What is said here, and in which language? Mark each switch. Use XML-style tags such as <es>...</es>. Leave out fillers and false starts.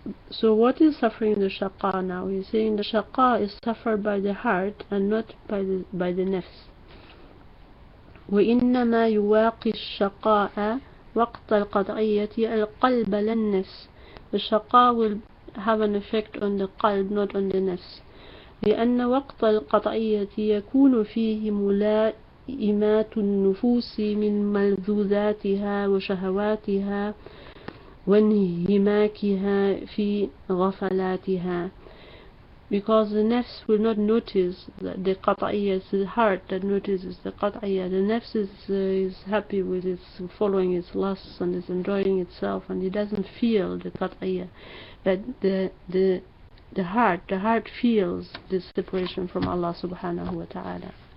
<en>So what is suffering the shaqa now? He's saying the shaqa is suffered by the heart and not by the nafs.</en> <ar>وَإِنَّمَا يُوَاقِي الشَّقَاءَ وَقْتَ الْقَطْعِيَّةِ الْقَلْبَ لَلنَّفْسِ.</ar> <en>The shaqa will have an effect on the qalb, not on the nafs.</en> <ar>لأن وقت القطعية يكون فيه ملائمات النفوس من ملذاتها وشهواتها وانهماكها في غفلاتها.</ar> <en>Because the nafs will not notice that the qat'iyya, the heart that notices the qat'iyya, the nafs is happy with its following its lusts and is enjoying itself and it doesn't feel the qat'iyya, but the heart feels this separation from Allah subhanahu wa ta'ala.</en>